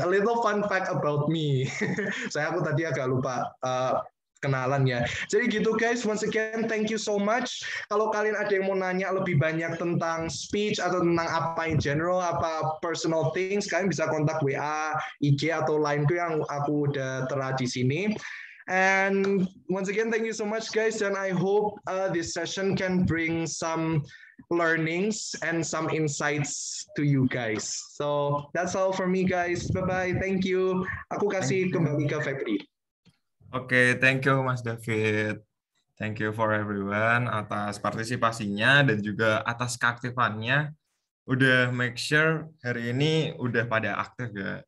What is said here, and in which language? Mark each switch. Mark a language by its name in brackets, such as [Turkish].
[English] A little fun fact about me. [Indonesian] Saya aku tadi agak lupa kenalan ya. Jadi gitu [English] guys, once again thank you so much. [Indonesian] Kalau kalian ada yang mau nanya lebih banyak tentang speech atau tentang apa in general, apa [English] personal things, [Indonesian] kalian bisa kontak WA, IG atau LINE-ku yang aku udah tera di sini. [English] And once again thank you so much guys, and I hope this session can bring some learnings and some insights to you guys. So that's all for me guys. Bye bye. Thank you. [Indonesian] Aku kasih kembali ke Febri. [English] Oke, okay, thank you Mas David. Thank you for everyone [Indonesian] atas partisipasinya dan juga atas keaktifannya. Udah make sure hari ini udah pada aktif ya.